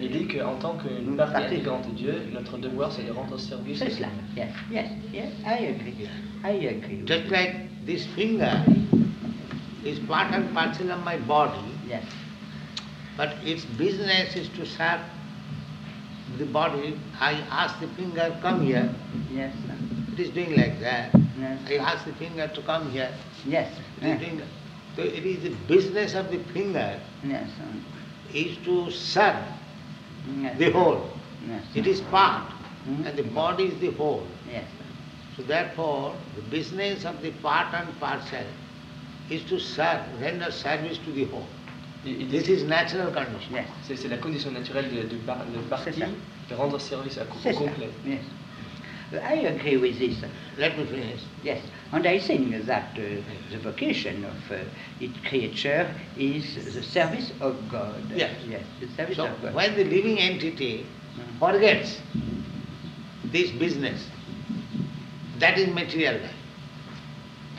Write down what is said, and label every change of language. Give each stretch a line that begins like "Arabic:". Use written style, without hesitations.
French: Il dit qu'en tant que partie intégrante de Dieu, notre devoir c'est de rendre service. C'est cela.
English: Yes, I agree. Just like this finger is part and parcel of my body. Yes. But its business is to serve the body. I ask the finger, come here. Yes. It is doing like that. Yes. I ask the finger to come here. Yes. So it is the business of the finger is to serve the whole. Yes, it is part, and the body is the whole. Yes. So therefore, the business of the part and parcel is to serve, render service to the whole. This is natural condition. Yes.
French: C'est la condition naturelle de partie, de rendre service à complet.
English: I agree with this. Let me finish. Yes. And I think that the vocation of each creature is the service of God. Yes, the service of God. When the living entity forgets this business, that is material life.